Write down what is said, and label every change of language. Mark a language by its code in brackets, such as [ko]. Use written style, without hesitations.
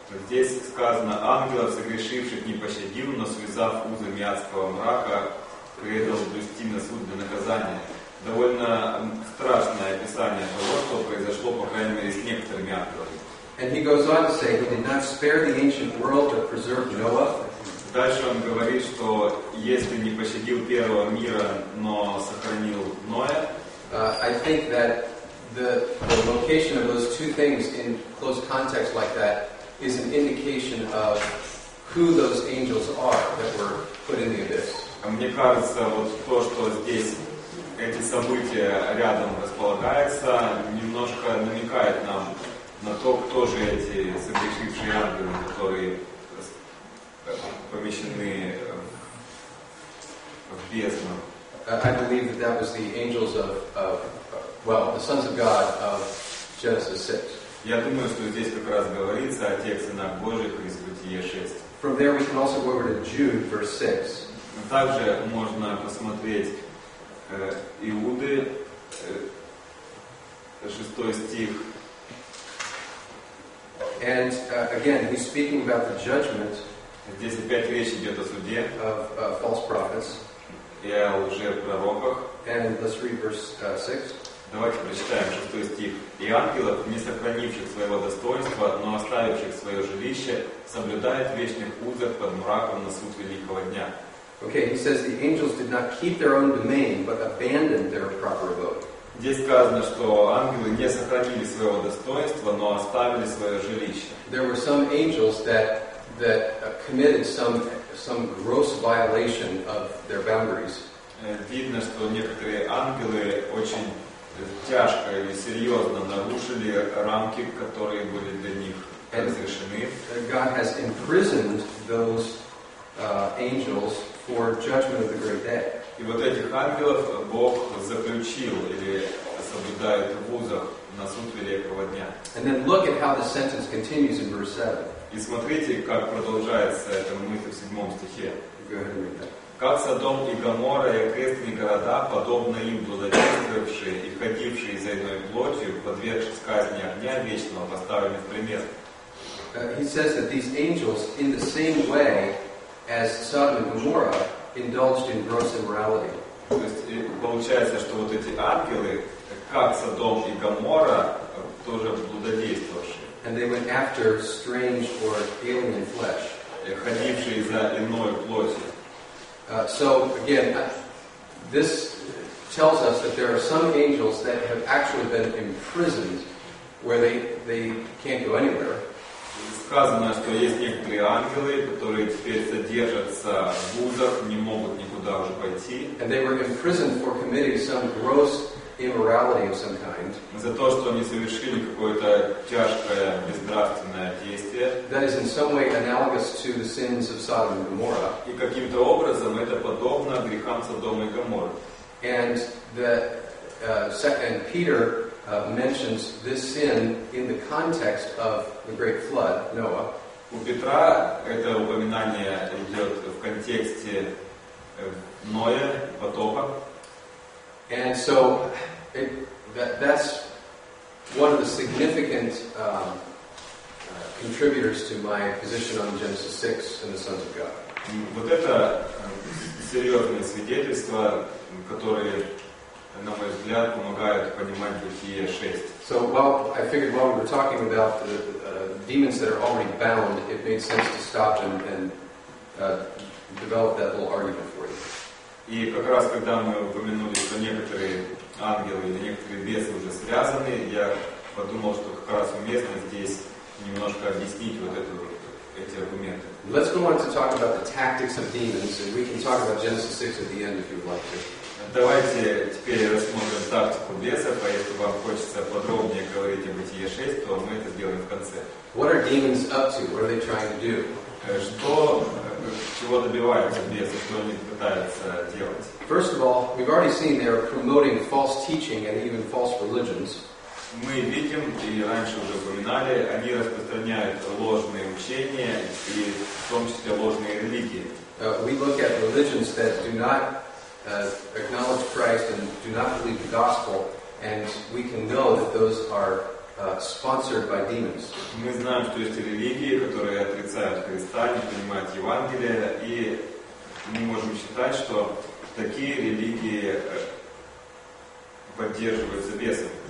[ru] Здесь сказано, ангелов согрешивших не пощадил, но связав узами адского мрака, предал довести на суд для наказания. Довольно страшное описание того, что произошло, по крайней мере, с некоторыми ангелами. [en] And he goes on to say, he did not spare the ancient world but preserved Noah. [ru] Дальше он говорит, что если не пощадил первого мира, но сохранил Ноя. [en] I think that the location of those two things in close context like that is an indication of who those angels are that were put in the abyss. [ru] Мне кажется, вот то, что здесь эти события рядом располагаются, немножко намекает нам на то, кто же эти согрешившие ангелы, которые [en] I believe that that was the angels of the sons of God of Genesis 6. [ru] Я думаю, что здесь как раз говорится о тех сынах Божьих из Бытия 6. [en] From there we can also go over to Jude, verse 6. [ru] Также можно посмотреть Иуды, 6 стих. [en] And again, he's speaking about the judgment. [ru] Здесь опять речь идет о суде. [en] False prophets. [ru] И о лжепророках. [en] And let's read verse 6. [ru] Давайте прочитаем 6 стих. И ангелов, не сохранивших своего достоинства, но оставивших свое жилище, соблюдает в вечных узах под мраком на суд великого дня. [en] Okay, he says the angels did not keep their own domain, but abandoned their proper abode. [ru] Здесь сказано, что ангелы не сохранили своего достоинства, но оставили свое жилище. [en] There were some angels that committed some gross violation of their boundaries. [ru] Видно, что некоторые ангелы очень тяжко или серьезно нарушили рамки, которые были для них разрешены. [en] God has imprisoned those angels for judgment of the great day. [ru] И вот этих ангелов Бог заключил или соблюдает в узах на суд великого дня. [en] And then look at how the sentence continues in verse 7. [ru] И смотрите, как продолжается эта мысль в 7 стихе. Как Содом и Гоморра и окрестные города, подобно им благодетельствовавшие и ходившие за иной плотью, подвергшись казни огня вечного, поставлены в пример. [en] He says that these angels, in the same way as Sodom and Gomorrah, indulged in gross immorality. [ru] То есть получается, что вот эти ангелы, как Содом и Гоморра, тоже благодетельствовавшие. [en] And they went after strange or alien flesh. [ru] Ходившие за иной плотью. [en] So again, this tells us that there are some angels that have actually been imprisoned, where they can't go anywhere. [ru] Сказано, что есть некоторые ангелы, которые теперь содержатся в узах, не могут никуда уже пойти. [en] And they were imprisoned for committing some gross immorality of some kind. [ru] За то, что они совершили какое-то тяжкое, безнравственное действие. [en] That is in some way analogous to the sins of Sodom and Gomorrah. [ru] И каким-то образом это подобно грехам Содома и Гоморры. [en] And the second Peter mentions this sin in the context of the great flood, Noah. [ru] У Петра это упоминание идет в контексте Ноя, потопа. [en] And so that's one of the significant contributors to my position on Genesis 6 and the sons of God. [ru] Вот это серьезное свидетельство, которое, на мой взгляд, помогает понимать Бытие 6. [en] So I figured while we were talking about the demons that are already bound, it made sense to stop and develop that little argument for you. [ru] И как раз когда мы упомянули, что некоторые ангелы или некоторые бесы уже связаны, я подумал, что как раз уместно здесь немножко объяснить вот эту, эти аргументы. [en] Let's go on to talk about the tactics of demons, and we can talk about Genesis 6 at the end if you would like to. [ru] Давайте теперь рассмотрим тактику бесов, а если вам хочется подробнее говорить о Бытие 6, то мы это сделаем в конце. [en] What are demons up to? What are they trying to do? [ru] Что, чего добиваются бесы, что они пытаются делать? [en] First of all, we've already seen they're promoting false teaching and even false religions. [ru] Мы видим, и раньше уже упоминали, они распространяют ложные учения и в том числе ложные религии. [en] We look at religions that do not acknowledge Christ and do not believe the gospel, and we can know that those are sponsored by demons. [ru] Мы знаем, что есть религии, которые отрицают Христа, не принимают Евангелие, и мы можем считать, что такие религии поддерживаются бесом.